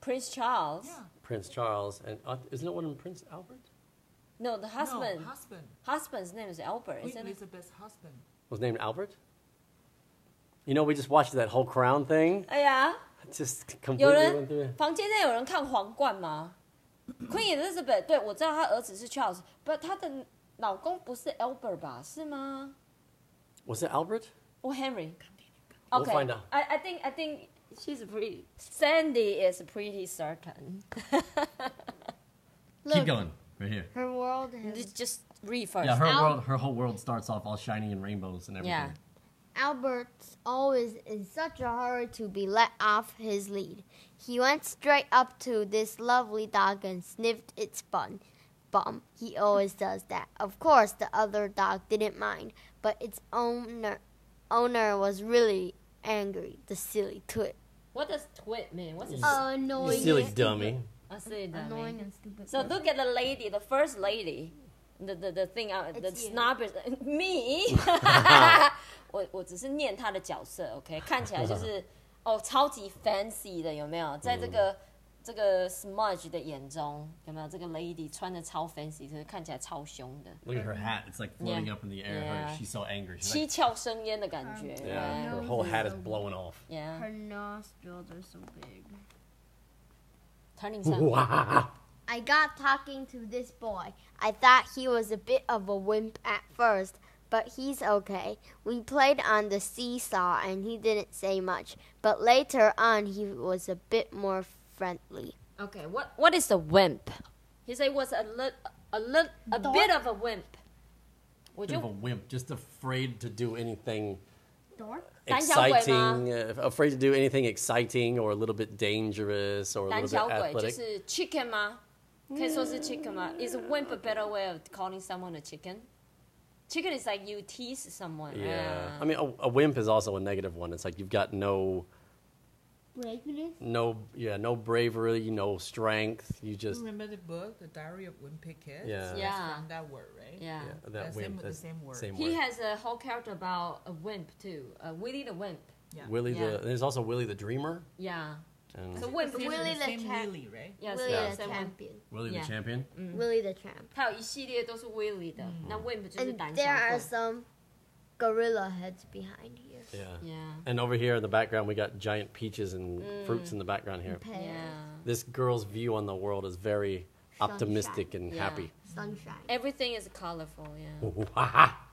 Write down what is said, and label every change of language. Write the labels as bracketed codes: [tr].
[en] Charles. Yeah. Prince Charles, and isn't it one of Prince Albert? No, the husband. No, husband. Husband's name is Albert, isn't it? Elizabeth's husband. Was named Albert? You know, we just watched that whole crown thing. Yeah. Just completely went through [zh] it. 房间内有人看皇冠吗? Queen Elizabeth, 对,我知道她儿子是 Charles, but 她的老公不是 Albert 吧,是吗? [en] Was it Albert? Or Henry? Okay. We'll find out. I think she's pretty... Sandy is pretty certain. Keep going. Right here. Her world is... Just reverse. Yeah, her whole world starts off all shiny and rainbows and everything. Yeah. Albert always in such a hurry to be let off his lead. He went straight up to this lovely dog and sniffed its bum. He always does that. Of course, the other dog didn't mind, but its owner was really angry, the silly twit. What does twit mean? What's it? Annoying. Silly dummy. I say that. Annoying and stupid. So look at the lady, the first lady. The thing out, the snobbish. Me! [zh] 我只是念她的角色, okay? 看起来就是, 哦, 超级 fancy 的, 有没有? 在这个 smudge 的眼中, 有没有? 这个 lady 穿得超 fancy, 就是看起来超凶的。 [en] Look at her hat, it's like floating up in the air. She's so angry. [zh] 七窍生烟的感觉。 [en] Yeah, her whole hat is blowing off. Yeah. Her nostrils are so big. Turning sound. I got talking to this boy. I thought he was a bit of a wimp at first, but he's okay. We played on the seesaw and he didn't say much, but later on he was a bit more friendly. Okay, what is a wimp? He said he was a bit of a wimp. Would you? Bit of a wimp, just afraid to do anything. Dork? Exciting, afraid to do anything exciting or a little bit dangerous or a little bit athletic. [zh] 就是 chicken 吗?可以说是 chicken 吗? [en] Is wimp a better way of calling someone a chicken? Chicken is like you tease someone. Yeah. I mean, a wimp is also a negative one. It's like you've got no... Braveness? No bravery, no strength. You just... Remember the book, The Diary of Wimpy Kids? Yeah. That word, right? Yeah. That wimp, same, the same word. Same he word. Has a whole character about a wimp, too. Willy the Wimp. Yeah. Willy yeah. the... There's also Willy the Dreamer. Yeah. And so wimp, Willy the Willy, right? Yes, Willy the Champion. Willy the Champion? Willy the Champ. [zh] 他有一系列都是 Willy 的, 那 wimp 就是胆小鬼。 [en] There are some gorilla heads behind here. Yeah. And over here in the background, we got giant peaches and fruits in the background here. This girl's view on the world is very optimistic and happy. Sunshine. Everything is colorful, yeah.